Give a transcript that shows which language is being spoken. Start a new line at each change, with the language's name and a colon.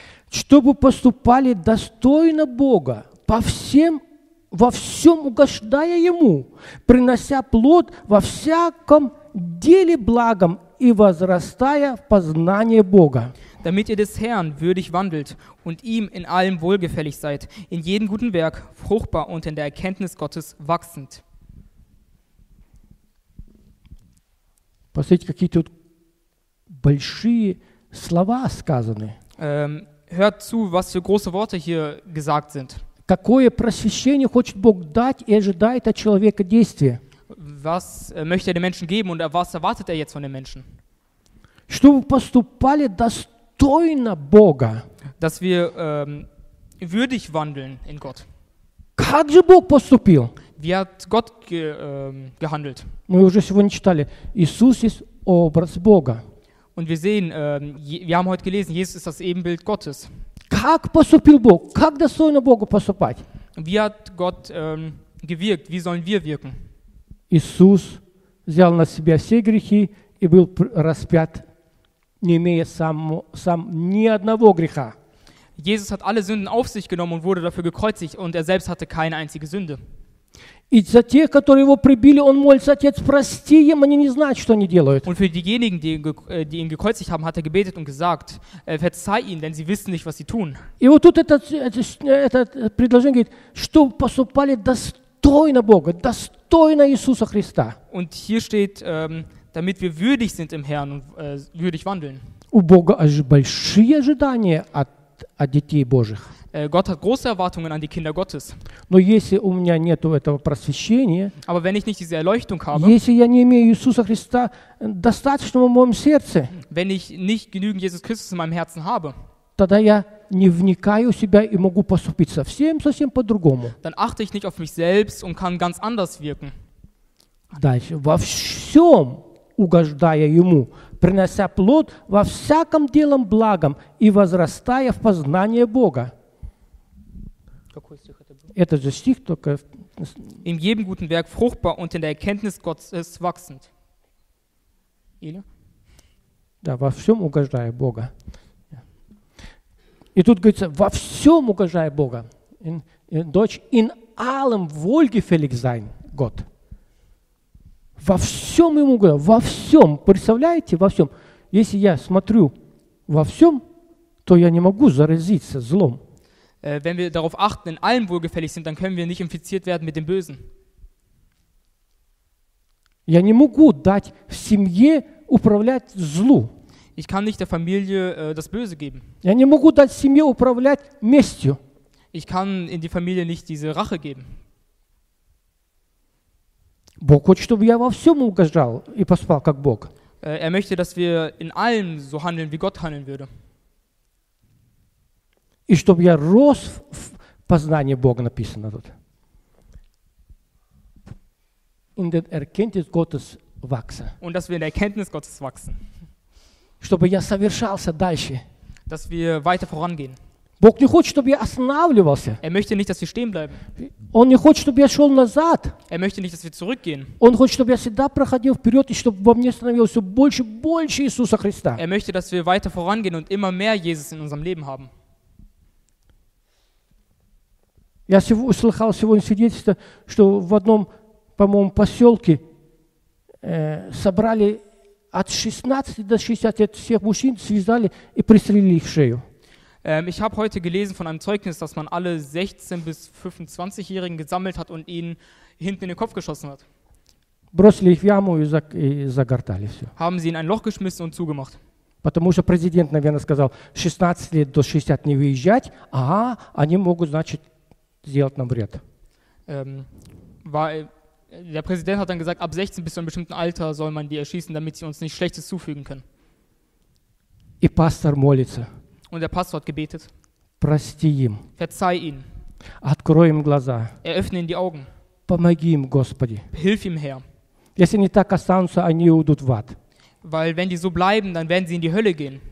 Russian: Чтобы поступали достойно Бога, во всем угождая Ему, принося плод во всяком деле благом и возрастая в познание Бога.
German: Damit ihr des Herrn würdig wandelt und ihm in allem wohlgefällig seid, in jedem guten Werk fruchtbar und in der Erkenntnis Gottes wachsend.
Russian: Посмотрите, какие тут большие слова сказаны.
German: Hört zu, was für große Worte hier gesagt sind.
Russian: Какое просвещение хочет Бог дать и ожидает от человека действия?
German: Was möchte er den Menschen geben und was erwartet er jetzt von den Menschen?
Russian: Чтобы поступали достойно Бога.
German: Dass wir würdig wandeln in Gott.
Russian: Как же Бог поступил?
German: Wie hat Gott gehandelt?
Russian: Мы уже сегодня читали: Иисус есть образ Бога.
German: Und wir sehen, wir haben heute gelesen, Jesus ist das Ebenbild Gottes.
Russian: Как поступил Бог? Как достойно Богу поступать?
German: Wie hat Gott gewirkt? Wie sollen wir wirken?
Russian: Иисус взял на себя все грехи и был распят, не имея сам ни одного греха.
German: Jesus hat alle Sünden auf sich genommen und wurde dafür gekreuzigt und er selbst hatte keine einzige Sünde.
Russian: И за тех, которые его прибили, он молится: Отец, прости им, они не знают, что они делают.
German: Und für diejenigen, die ihn gekreuzigt haben, hat er gebetet und gesagt: Verzeih ihnen, denn sie wissen nicht, was sie tun.
Russian: И вот тут это предложение говорит, что поступали достойно Бога, достойно Иисуса Христа.
German: Und hier steht, damit wir würdig sind im Herrn und würdig wandeln.
Russian: У Бога большие ожидания от детей Божьих.
German: Gott hat große Erwartungen an die Kinder Gottes.
Russian: Но если у меня нету этого просвещения,
German: aber wenn ich nicht diese Erleuchtung habe,
Russian: если я не имею Иисуса Христа достаточно в моем сердце,
German: wenn ich nicht genügend Jesus Christus in meinem Herzen habe,
Russian: тогда я не вникаю в себя и могу поступить совсем по-другому.
German: Dann achte ich nicht auf mich selbst und kann ganz anders wirken.
Russian: Дальше. Во всем угождая Ему, принося плод во всяком деле благом и возрастая в познание Бога. Это же стих, только
German: in jedem guten Werk fruchtbar und in der Erkenntnis Gottes wachsend.
Russian: Или? Да, во всем угождая Бога. И тут говорится, во всем угождая Бога.
German: Deutsch, in allem wohlgefällig sein Gott.
Russian: Во всем ему угождая, во всем. Представляете, во всем. Если я смотрю во всем, то я не могу заразиться злом.
German: Wenn wir darauf achten, in allem wohlgefällig sind, dann können wir nicht infiziert werden mit dem Bösen.
Russian: Я не могу дать в семье управлять злу.
German: Ich kann nicht der Familie das Böse geben.
Russian: Я не могу дать семье управлять местью.
German: Ich kann in die Familie nicht diese Rache geben.
Russian: Бог хочет, чтобы я во всем угождал и поспал, как Бог.
German: Er möchte, dass wir in allem so handeln, wie Gott handeln würde.
Russian: И чтобы я рос в познании Бога, написано тут.
German: In der Erkenntnis Gottes wachsen. Und dass wir in der Erkenntnis Gottes wachsen.
Russian: Чтобы я совершался дальше.
German: Dass wir weiter vorangehen.
Russian: Бог не хочет, чтобы я останавливался.
German: Er möchte nicht, dass wir stehen bleiben.
Russian: Он не хочет, чтобы я шел назад.
German: Er möchte nicht, dass wir zurückgehen.
Russian: Он хочет, чтобы я всегда проходил вперед и чтобы во мне становилось все больше и больше Иисуса Христа.
German: Er möchte, dass wir weiter vorangehen und immer mehr Jesus in unserem Leben haben.
Russian: Я слыхал сегодня свидетельство, что в одном, по-моему, поселке собрали от 16 до 60 лет всех мужчин, связали и пристрелили их в шею.
German: Ich habe heute gelesen von einem Zeugnis, dass man alle 16- bis 25-Jährigen gesammelt hat und ihnen hinten in den Kopf geschossen hat.
Russian: Бросили их в яму и загортали все.
German: Haben sie in ein Loch geschmissen und zugemacht.
Russian: Потому что президент, наверное, сказал, 16 лет до 60 не выезжать, ага, они могут, значит, сделать нам вред.
German: Der Präsident hat dann gesagt, ab 16 bis zu einem bestimmten Alter soll man die erschießen, damit sie uns nicht Schlechtes zufügen können.
Russian: И пастор молится.
German: Und der Pastor hat gebetet.
Russian: Прости им.
German: Verzeih ihnen.
Russian: Открой им глаза.
German: Eröffne ihnen die Augen.
Russian: Помоги им, Господи.
German: Hilf ihm, Herr.
Russian: Если они так останутся, они уйдут в ад.
German: Weil wenn die so bleiben, dann werden sie in die Hölle gehen.